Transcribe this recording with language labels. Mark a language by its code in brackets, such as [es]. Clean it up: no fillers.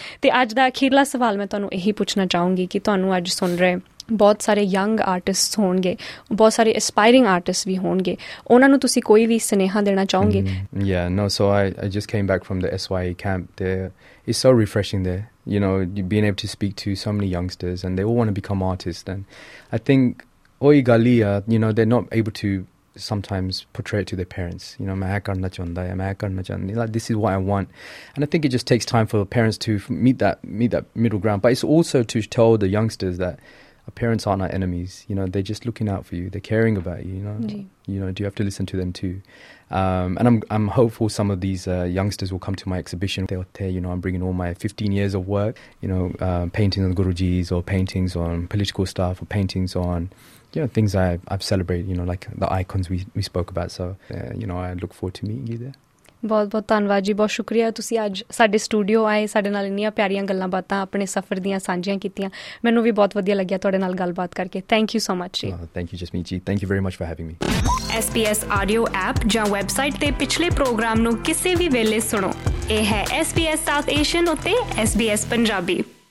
[pa] Te aaj da akhirla sawal main tawanu ehi puchna chahungi ki tawanu aaj ਸੁਣ ਰਹੇ ਬਹੁਤ ਸਾਰੇ young artist ਹੋਣਗੇ ਬਹੁਤ ਸਾਰੇ ਐਸਪਾਇਰਿੰਗ ਆਰਟਿਸਟ ਵੀ ਹੋਣਗੇ ਉਹਨਾਂ ਨੂੰ ਤੁਸੀਂ ਕੋਈ ਵੀ ਸੁਨੇਹਾ ਦੇਣਾ ਚਾਹੋਗੇ [en] Yeah no so I just came back from the SY camp there it's so refreshing there you know being able to speak to so many youngsters and they all want to become artist and I think ਓਈ ਗਾਲੀਆ you know they not able to sometimes portray it to their parents. You know, I want to do this. Like, this is what I want. And I think it just takes time for parents to meet that middle ground. But it's also to tell the youngsters that our parents aren't our enemies. You know, they're just looking out for you. They're caring about you, you know. You know, do you have to listen to them too? And I'm hopeful some of these youngsters will come to my exhibition. You know, I'm bringing all my 15 years of work, you know, paintings on Gurujis or paintings on political stuff or paintings on... Yeah, things I've celebrated, you know, like the icons we spoke about. So, you know, I look forward to meeting you there. [pa] ਬਹੁਤ ਬਹੁਤ ਧੰਨਵਾਦ ਜੀ ਬਹੁਤ ਸ਼ੁਕਰੀਆ ਤੁਸੀਂ ਅੱਜ ਸਾਡੇ studio ਆਏ ਸਾਡੇ ਨਾਲ ਇੰਨੀਆਂ ਪਿਆਰੀਆਂ ਗੱਲਾਂ ਬਾਤਾਂ ਆਪਣੇ ਸਫ਼ਰ ਦੀਆਂ ਸਾਂਝੀਆਂ ਕੀਤੀਆਂ ਮੈਨੂੰ ਵੀ ਬਹੁਤ ਵਧੀਆ ਲੱਗਿਆ ਤੁਹਾਡੇ ਨਾਲ ਗੱਲਬਾਤ ਕਰਕੇ [en] thank you so much [pa] ਜੀ [en] thank you Jasmeet ji thank you very much for having me [pa] SBS audio app ਜਾਂ ਵੈਬਸਾਈਟ ਤੇ ਪਿਛਲੇ ਪ੍ਰੋਗਰਾਮ ਨੂੰ ਕਿਸੇ ਵੀ ਵੇਲੇ ਸੁਣੋ ਇਹ ਹੈ SBS ਸਾਊਥ ਏਸ਼ੀਅਨ ਉੱਤੇ SBS ਪੰਜਾਬੀ